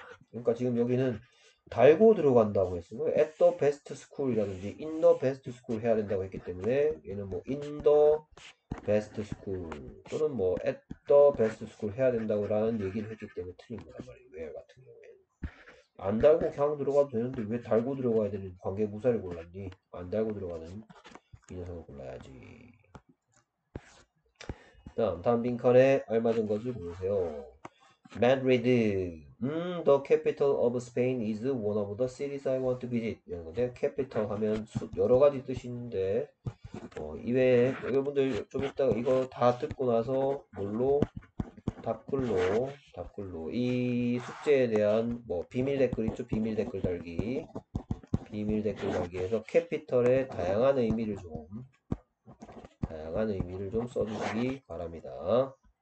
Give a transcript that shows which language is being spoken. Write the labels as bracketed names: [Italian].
[Korean] 그러니까 지금 여기는 달고 들어간다고 했으면 [English] at the best school [Korean] 이라든지 [English] in the best school [Korean] 해야 된다고 했기 때문에 얘는 뭐 in the best school 또는 뭐 at the best school 해야 된다고 라는 얘기를 했기 때문에 틀린 거란 말이에요. where 같은 경우에는 안 달고 그냥 들어가도 되는데 왜 달고 들어가야 되는 관계부사를 골랐니? 안 달고 들어가는 이 녀석을 골라야지. 다음 빈칸에 알맞은 것을 보세요. [English] Madrid. The capital of Spain is one of the cities I want to visit. [Korean] 이런 건데, capital 하면 여러 가지 뜻이 있는데, 이외에, 여러분들 좀 이따가 이거 다 듣고 나서, 뭘로? 답글로. 이 숙제에 대한, 뭐, 비밀 댓글 있죠? 비밀 댓글 달기. 비밀 댓글 달기에서 capital의 다양한 의미를 좀, 다양한 의미를 좀 써주시기 바랍니다.